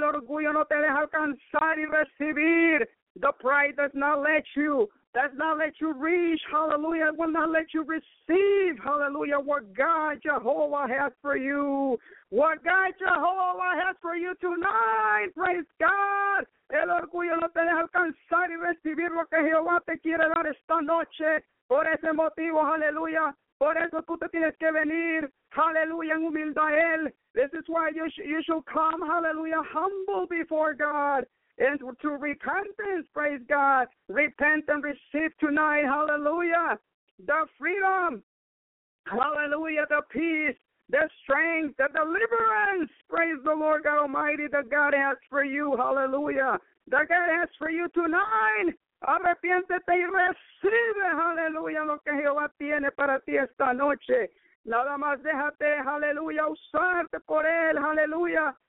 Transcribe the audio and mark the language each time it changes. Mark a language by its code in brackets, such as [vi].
[es] El orgullo no te deja alcanzar y recibir. [en] The pride does not let you reach, hallelujah, will not let you receive, hallelujah, what God Jehovah has for you. What God Jehovah has for you tonight, praise God. [es] El orgullo no te deja alcanzar y recibir lo que Jehová te quiere dar esta noche. Por ese motivo, hallelujah, por eso tú te tienes que venir, hallelujah, en humildad a Él. [en] This is why you should come, hallelujah, humble before God. And to repentance, praise God. Repent and receive tonight, hallelujah. The freedom, hallelujah, the peace, the strength, the deliverance. Praise the Lord God Almighty that God has for you, hallelujah. That God has for you tonight. [es] Arrepiéntete y recibe, hallelujah, lo que Jehová tiene para ti esta noche. Nada más déjate, hallelujah, usarte por Él, hallelujah.